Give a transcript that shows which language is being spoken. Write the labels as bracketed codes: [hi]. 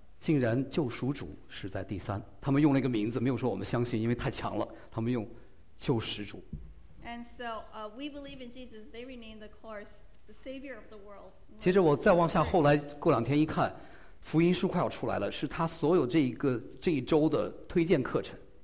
[zh] 竟然救赎主是在第三，他们用了一个名字，没有说我们相信，因为太强了，他们用救世主。 [en] And so, we believe in Jesus. They renamed the course the Savior of the World. [zh] 接着我再往下，后来过两天一看，福音书快要出来了，是他所有这一周的推荐课程。